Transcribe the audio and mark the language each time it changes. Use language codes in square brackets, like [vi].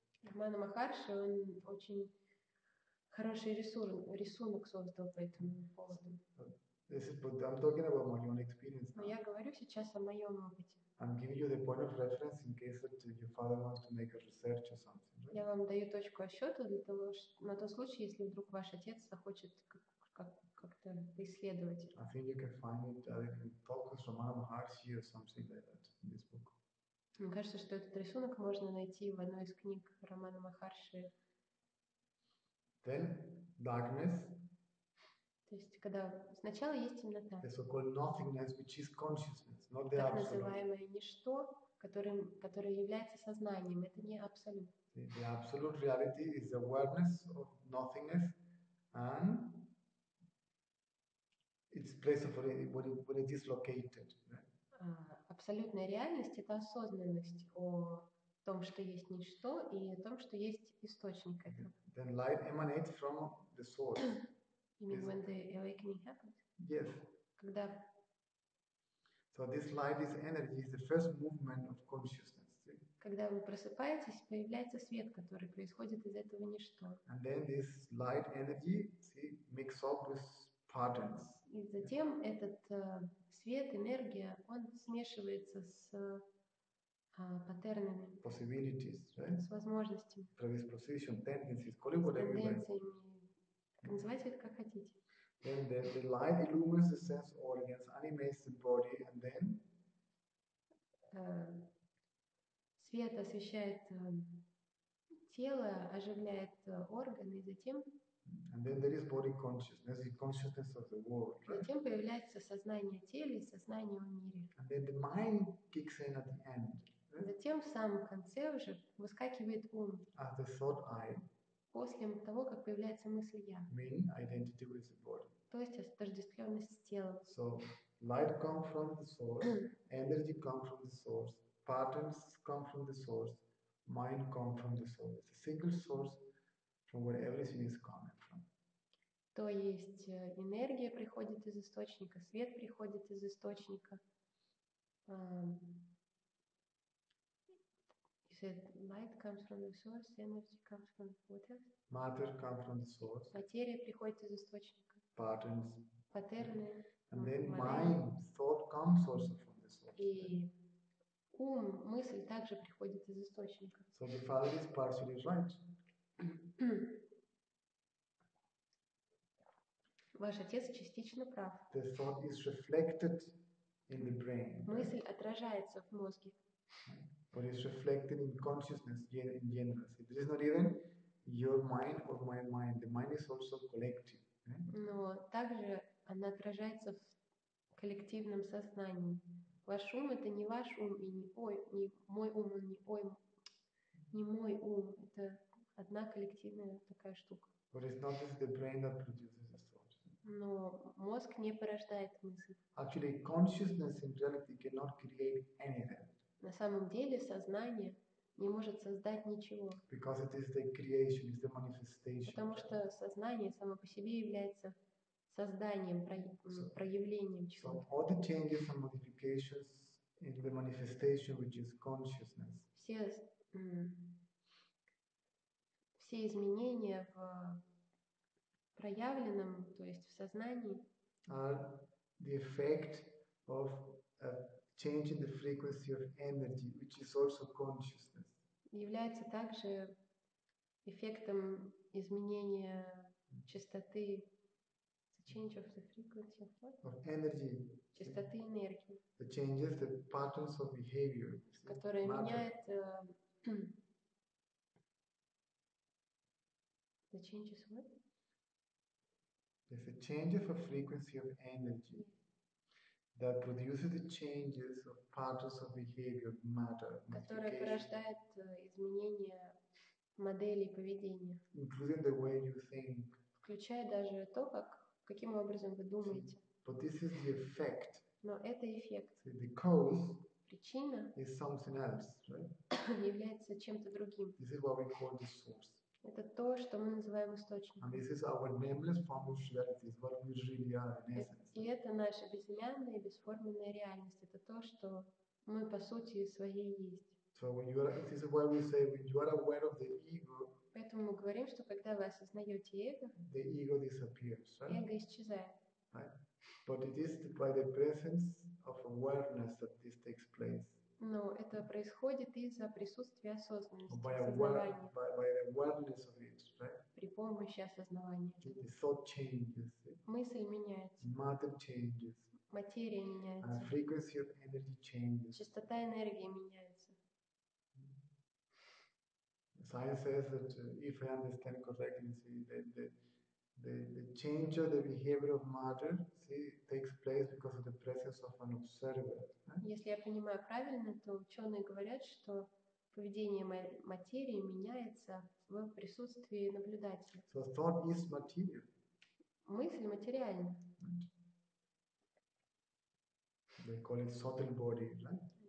[ru] Рамана Махарши, он очень хороший рисунок создал по этому поводу. [en] This is, but I'm talking about my own experience. [ru] Но я говорю сейчас о моем опыте. [en] I'm giving you the point of reference in case that your father wants to make a research or something. Right? [ru] Я вам даю точку отсчета для того, что, на тот случай, если вдруг ваш отец захочет как-то исследовать. [en] I think you can find it. I can talk with Рамана Махарши or something like that in this book. [ru] Мне кажется, что этот рисунок можно найти в одной из книг Романа Махарши. [en] Then darkness. [ru] То есть, когда сначала есть темнота. [en] The so-called nothingness, which is consciousness, not the [ru] так [en] absolute. [ru] Называемое ничто, которое является сознанием, это не абсолют. [en] The absolute reality is awareness of nothingness, and its place of when it is located. [ru] Абсолютная реальность — это осознанность о том, что есть ничто, и о том, что есть источник этого. [en] Then light emanates from the source. You mean when the awakening happens? Yes. [ru] Когда? [en] So this light, this energy, is the first movement of consciousness. See? [ru] Когда вы просыпаетесь, появляется свет, который происходит из этого ничто. [en] And then this light energy, see, mix up with patterns. [ru] И затем этот свет, энергия, он смешивается с паттернами. [en] Possibilities, right? [ru] С возможностями. [en] Predisposition, tendencies, call it whatever you like. [ru] Называйте это как хотите. [en] Then the light illumines the sense organs, animates the body, and then [ru] свет освещает тело, оживляет органы, и затем. [en] And then there is body consciousness, the consciousness of the world. Right? [ru] Затем появляется сознание тела, сознание в мире. [en] And then the mind kicks in at the end. Right? [ru] Затем в самом конце уже выскакивает ум. [en] As the thought eye. [ru] После того, как появляется мысль «я». [en] Mean identity with the body. [ru] То есть отождествленность с телом. [en] So, light comes from the source, energy comes from the source, patterns come from the source, mind comes from the source. It's a single source from where everything is coming from. [ru] То есть энергия приходит из источника, свет приходит из источника. [en] That light comes from the source, energy comes from what else? Matter comes from the source. [ru] Материя приходит из источника. [en] Patterns. [ru] Паттерны. [en] And then mind, thought comes also from the source. [ru] И ум, мысль также приходит из источника. [en] So the father is partially right. [ru] Ваш отец частично прав. [en] The thought is reflected in the brain. [ru] Мысль отражается в мозге. [en] But it's reflected in consciousness in general. See, this is not even your mind or my mind. The mind is also collective. Right? [ru] Но также она отражается в коллективном сознании. Ваш ум — это не ваш ум и не ой, не мой ум, не ой, не мой ум. Это одна коллективная такая штука. [en] But it's not just the brain that produces the thoughts. [ru] Но мозг не порождает мысли. [en] Actually, consciousness in reality cannot create anything. [ru] На самом деле сознание не может создать ничего. [en] Because it is the creation, it's the manifestation. [ru] Потому что сознание само по себе является созданием, проявлением чего-то. [en] So all the changes and modifications in the manifestation, which is consciousness. [ru] Все изменения в проявленном, то есть в сознании, [en] are the effect of a changing the frequency of energy, which is also consciousness. [ru] Является также эффектом изменения частоты. [en] The change of the frequency of what? Of energy. [ru] Частоты энергии. [en] The changes the patterns of behavior. [ru] Которая меняет [en] the changes what? There's a change of a frequency of energy. That produces the changes of patterns of behavior, matter, [ru] которая порождает изменения моделей поведения, [en] including the way you think, [ru] включая даже то, каким образом вы думаете. [en] But this is the effect. [ru] Но это эффект. [en] See, the cause, [ru] причина, [en] is something else, right? [ru] Является чем-то другим. [en] This is what we call the source. [ru] Это то, что мы называем источником. [en] And this is our nameless form of reality, what we really are in essence. [ru] И это наша безымянная и бесформенная реальность. Это то, что мы по сути своей есть. [en] So when you are, this is why we say when you are aware of the ego. [ru] Поэтому мы говорим, что когда вы осознаете эго, [en] the ego disappears, right? [ru] Эго исчезает. [en] Right? But it is by the presence of awareness that this takes place. [ru] Но это происходит из-за присутствия осознанности, осознавания. [en] By awareness of it, right? [ru] При помощи осознавания. [en] The thought changes. [ru] Мысль меняется. [en] Matter changes. [ru] Материя меняется. [en] And frequency of energy changes. [ru] Частота энергии меняется. [en] Science says that if I understand correctly, see, the change of the behavior of matter, see, takes place because of the presence of an observer. [ru] Если я понимаю правильно, то ученые говорят, что поведение материи меняется в присутствии наблюдателя. [en] So thought is material. [ru] Мысль материальна. [en] They call it subtle body, right?